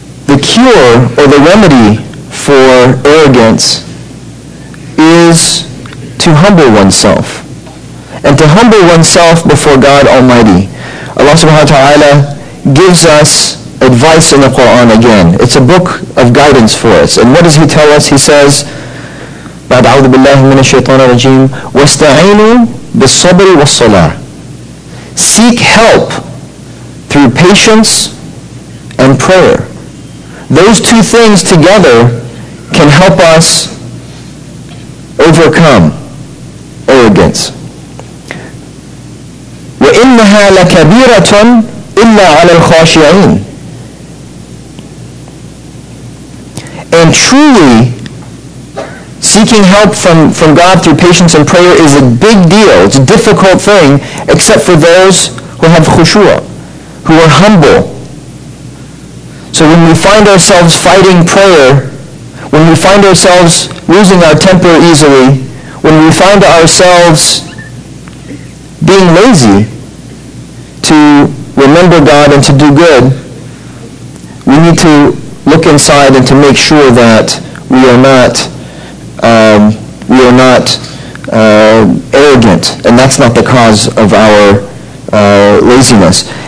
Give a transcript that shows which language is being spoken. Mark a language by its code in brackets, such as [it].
[en] The cure or the remedy for arrogance is to humble oneself, and to humble oneself before God Almighty. Allah subhanahu wa ta'ala gives us advice in the Quran again. It's a book of guidance for us. [ar] And what does he tell us? He says, بعد عوذ بالله من الشيطان الرجيم واستعينوا بالصبر والصلاة. [en] Seek help through patience and prayer. Those two things together can help us overcome arrogance. [ar] وإنها لكبيرة إلا على الخاشعين. [en] And truly, seeking help from God through patience and prayer is a big deal. It's a difficult thing, except for those who have khushu'a, who are humble. So when we find ourselves fighting prayer, when we find ourselves losing our temper easily, when we find ourselves being lazy to remember God and to do good, we need to look inside and to make sure that we are not arrogant, and that's not the cause of our laziness.